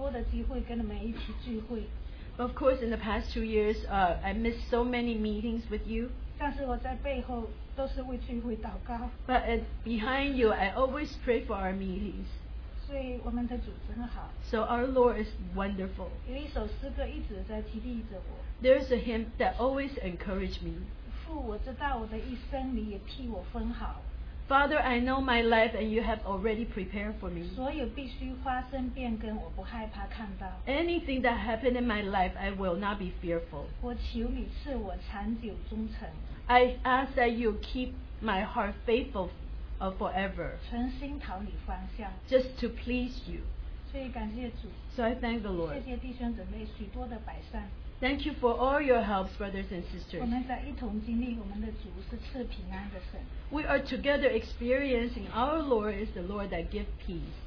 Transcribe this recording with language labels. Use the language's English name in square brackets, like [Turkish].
[Chinese] 就是这两年我很缺了很多的机会跟你们一起聚会。 [English] Of course, in the past 2 years, I missed so many meetings with you. [Chinese] 但是我在背后都是为聚会祷告。 [English] But behind you, I always pray for our meetings. [Chinese] 所以我们的主真好。 [English] So our Lord is wonderful. [Chinese] 有一首诗歌一直在激励着我。 [English] There's a hymn that always encouraged me. [Chinese] 父，我知道我的一生你也替我分好。 [English] Father, I know my life and you have already prepared for me. [Chinese] 所有必须发生变更, 我不害怕看到。 [English] Anything that happened in my life, I will not be fearful. [Chinese] 我求你赐我长久忠诚。 [English] I ask that you keep my heart faithful forever. [Chinese] 存心讨你方向。 [English] Just to please you. [Chinese] 所以感谢主。 [English] So I thank the Lord. [Chinese] 谢谢弟兄姊妹许多的百善。 [English] Thank you for all your helps, brothers and sisters. [Chinese] 我们在一同经历我们的主是赐平安的神。 [English] We are together experiencing our Lord is the Lord that gives peace.